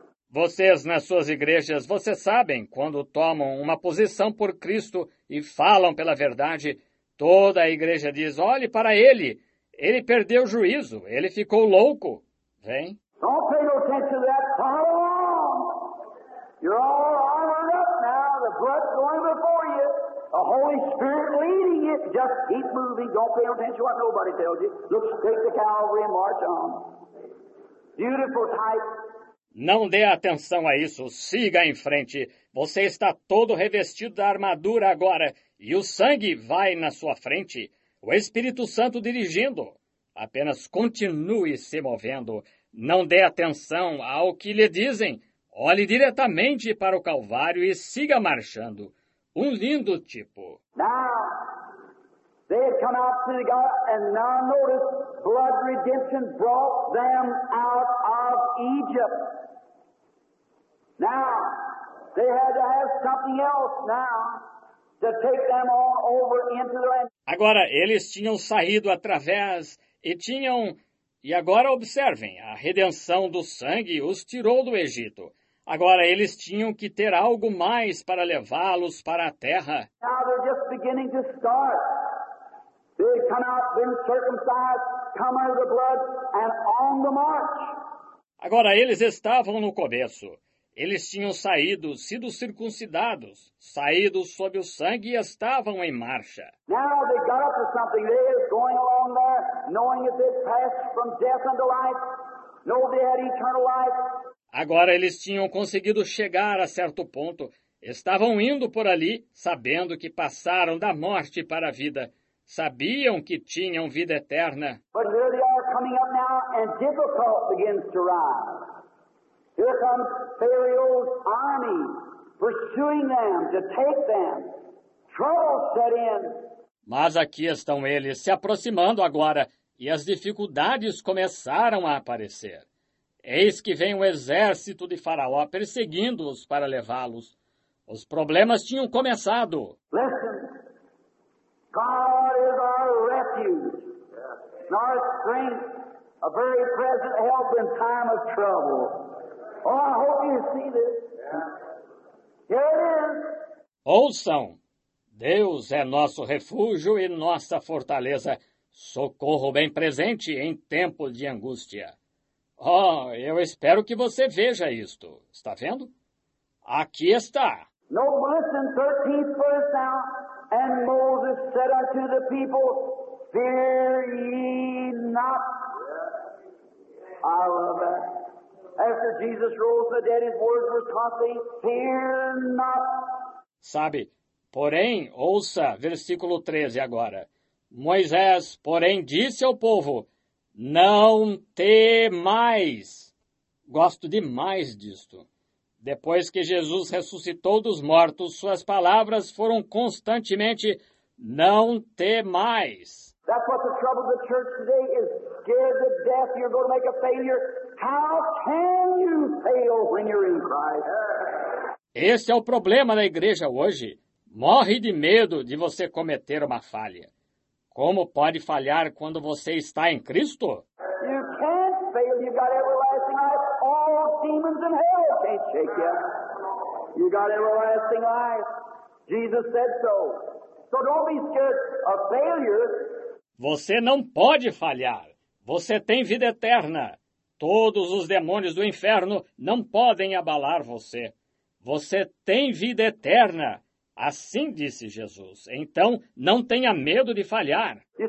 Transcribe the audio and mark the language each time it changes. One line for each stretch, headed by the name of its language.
Portuguese: Vocês, nas suas igrejas, vocês sabem, quando tomam uma posição por Cristo e falam pela verdade, toda a igreja diz, olhe para ele, ele perdeu o juízo, ele ficou louco. Vem.
English: Don't pay no attention to that, follow along. You're all armored up now, the blood's going before you, the Holy Spirit leading you. Just keep moving, don't pay no attention to what nobody tells you. Look straight to Calvary and march on. Beautiful type.
Portuguese: Não dê atenção a isso. Siga em frente. Você está todo revestido da armadura agora. E o sangue vai na sua frente. O Espírito Santo dirigindo. Apenas continue se movendo. Não dê atenção ao que lhe dizem. Olhe diretamente para o Calvário e siga marchando. Um lindo tipo.
English: Now, they have come out to God and now notice blood redemption brought them out of Egypt. Now, they had to have something else now to take them all over into the land.
Portuguese: Agora, eles tinham saído através e tinham... E agora, observem, a redenção do sangue os tirou do Egito. Agora, eles tinham que ter algo mais para levá-los para a terra.
English: Now, they're just beginning to start. They come out, been circumcised, come under the blood, and on the march.
Portuguese: Agora, eles estavam no começo. Eles tinham saído, sido circuncidados, saído sob o sangue e estavam em marcha.
English: Now they got up to something. They were going along there, knowing that they passed from death unto life. Know they had eternal life.
Portuguese: Agora eles tinham conseguido chegar a certo ponto. Estavam indo por ali, sabendo que passaram da morte para a vida. Sabiam que tinham vida eterna.
English: But here they are coming up now, and difficulty begins to rise. Here comes Pharaoh's army, pursuing them, to take them. Trouble set in.
Portuguese: Mas aqui estão eles, se aproximando agora, e as dificuldades começaram a aparecer. Eis que vem o exército de Faraó perseguindo-os para levá-los. Os problemas tinham começado.
English: Listen, God is our refuge, our strength, a very present help in time of trouble. Oh, I hope you see this. Here it is.
Portuguese: Ouçam, Deus é nosso refúgio e nossa fortaleza, socorro bem presente em tempo de angústia. Oh, eu espero que você veja isto. Está vendo? Aqui está.
English: No, listen, 13th verse now. And Moses said unto the people, fear ye not. I love that. after Jesus rose from the dead, his words were constantly, fear not.
Portuguese: Sabe, porém, ouça versículo 13 agora. Moisés, porém, disse ao povo, não temais. Gosto demais disto. Depois que Jesus ressuscitou dos mortos, suas palavras foram constantemente, não temais.
English: That's what the trouble of the church today is, scared to death, you're going to make a failure. How can you fail when you're in Christ?
Portuguese: Esse é o problema da igreja hoje. Morre de medo de você cometer uma falha. Como pode falhar quando você está em Cristo?
English: You can't fail. You've got everlasting life. All demons in hell can't shake you. You've got everlasting life. Jesus said so. So don't be scared of failure.
Portuguese: Você não pode falhar. Você tem vida eterna. Todos os demônios do inferno não podem abalar você. Você tem vida eterna. Assim disse Jesus. Então, não tenha medo de falhar.